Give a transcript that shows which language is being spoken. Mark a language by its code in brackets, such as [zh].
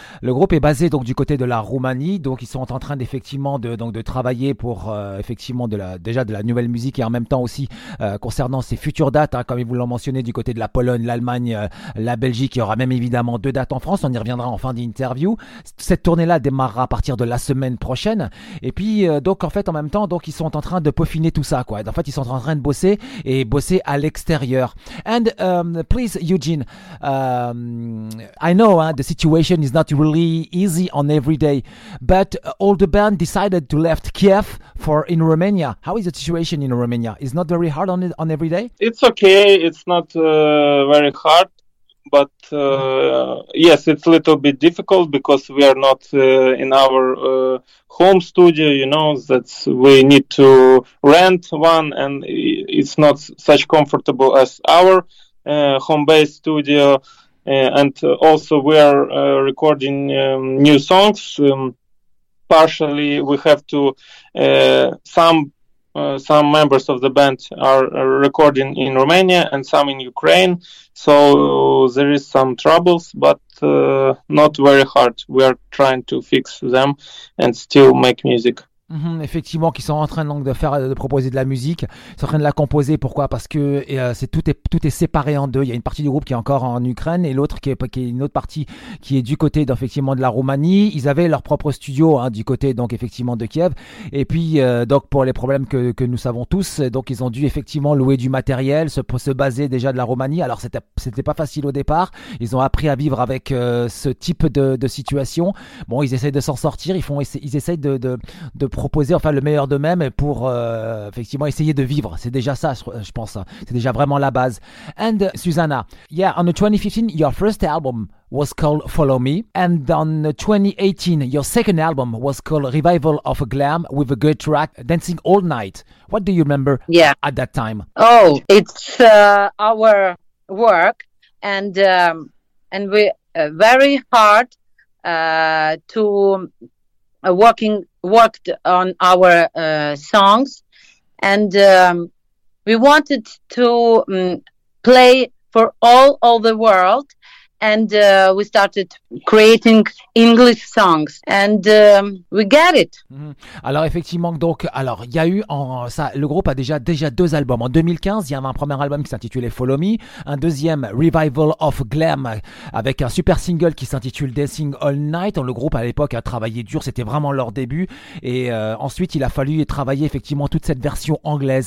[fr] Le groupe est basé donc du côté de la Roumanie, donc ils sont en train d'effectivement de travailler pour effectivement de la nouvelle musique, et en même temps aussi concernant ses futures dates, hein, comme ils vous l'ont mentionné, du côté de la Pologne, l'Allemagne, la Belgique. Il y aura même évidemment deux dates en France, on y reviendra en fin d'interview. Cette tournée-là démarrera à partir de la semaine prochaine, et puis donc en fait en même temps, donc ils sont en train de peaufiner tout ça, quoi. En fait, ils sont en train de bosser et bosser à l'extérieur. [en] And please, Eugene, I know the situation is not really easy on every day, but all the band decided to left Kiev for in Romania. How is the situation in Romania? It's not very hard on it, on every day? It's okay. It's not very hard, but yes, it's a little bit difficult because we are not in our home studio, you know, that we need to rent one, and it's not such comfortable as our home base studio, and also we are recording new songs. Partially we have to some members of the band are recording in Romania and some in Ukraine, so there is some troubles, but not very hard. We are trying to fix them and still make music. [fr] Mm-hmm, effectivement, qui sont en train donc de proposer de la musique, ils sont en train de la composer. Pourquoi? Parce que tout est séparé en deux. Il y a une partie du groupe qui est encore en Ukraine et l'autre qui est une autre partie qui est du côté effectivement de la Roumanie. Ils avaient leur propre studio, hein, du côté donc effectivement de Kiev. Et puis donc pour les problèmes que nous savons tous, donc ils ont dû effectivement louer du matériel, se baser déjà de la Roumanie. Alors c'était pas facile au départ. Ils ont appris à vivre avec ce type de situation. Bon, ils essayent de s'en sortir. Ils essayent de proposer enfin le meilleur d'eux-mêmes pour effectivement essayer de vivre. C'est déjà ça, je pense. C'est déjà vraiment la base. [en] And Susanna, yeah, on the 2015, your first album was called Follow Me, and on 2018 your second album was called Revival of Glam, with a good track Dancing All Night. What do you remember? Yeah, at that time. Oh, it's our work, and we very hard to worked on our songs, and we wanted to play for all the world, and we started creating English songs, and we get it. [fr] Alors effectivement, donc, alors il y a eu en ça, le groupe a déjà deux albums. En 2015, il y avait un premier album qui s'intitulait Follow Me, un deuxième Revival of Glam avec un super single qui s'intitule Dancing All Night. Le groupe à l'époque a travaillé dur, c'était vraiment leur début, et ensuite il a fallu travailler effectivement toute cette version anglaise.